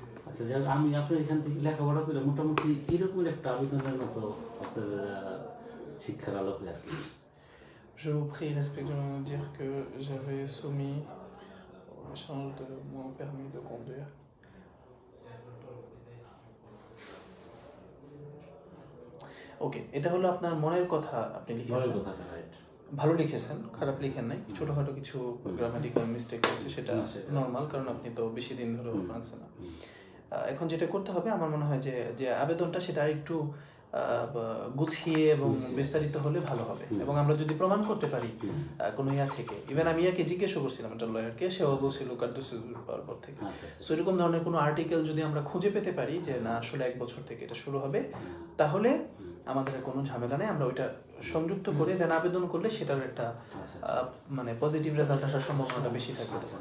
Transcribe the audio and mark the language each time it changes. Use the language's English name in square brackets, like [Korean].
[Bangla] আচ্ছা, যাক, আমি আপনার এখান থেকে লেখাপড়া করে মোটামুটি এরকম একটা আবেদনের মতো আপনার শিক্ষার আলোকে আর কি। [French] Je vous prie respectueusement de dire que j'avais soumis au change de mon permis de conduire. [Bangla] ওকে, এটা হলো আপনার মনের কথা আপনি লিখেছেন, ভালো লিখেছেন, খারাপ লিখেন নাই, ছোটোখাটো কিছু গ্রামাটিক্যাল মিস্টেক আছে সেটা নর্মাল, কারণ আপনি তো বেশি দিন ধরে ফ্রান্সে না। এখন যেটা করতে হবে আমার মনে হয় যে যে আবেদনটা সেটা আরেকটু গুছিয়ে এবং বিস্তারিত হলে ভালো হবে, এবং আমরা যদি প্রমাণ করতে পারি কোনো ইয়া থেকে, ইভেন আমি ইয়াকে জিজ্ঞেসও করছিলাম একটা লয়ারকে, সেও বলছিল কার্য সেজুর পাওয়ার পর থেকে, সো এরকম ধরনের কোনো আর্টিকেল যদি আমরা খুঁজে পেতে পারি যে না আসলে 1 বছর থেকে এটা শুরু হবে, তাহলে আমাদের কোনো ঝামেলা নেই, আমরা ওইটা সংযুক্ত করে দেন আবেদন করলে সেটার একটা মানে পজিটিভ রেজাল্ট আসার সম্ভাবনাটা বেশি থাকবে।